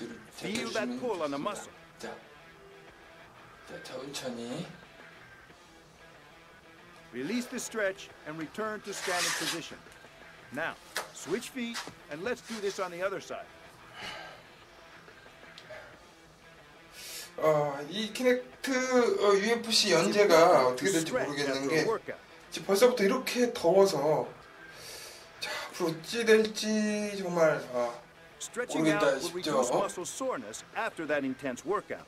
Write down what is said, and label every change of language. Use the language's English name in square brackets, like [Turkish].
[English] Feel that pull on the muscle. [Korean] 자, 자 천천히. [English] Release the stretch and return to standing position. Now, switch feet and let's do this on the other side. [Korean] 이 키넥트 UFC 연재가 어떻게 될지 모르겠는 게 지금 벌써부터 이렇게 더워서 자, 앞으로 어찌 될지 정말 [English] Stretching out will reduce muscle soreness after that intense workout.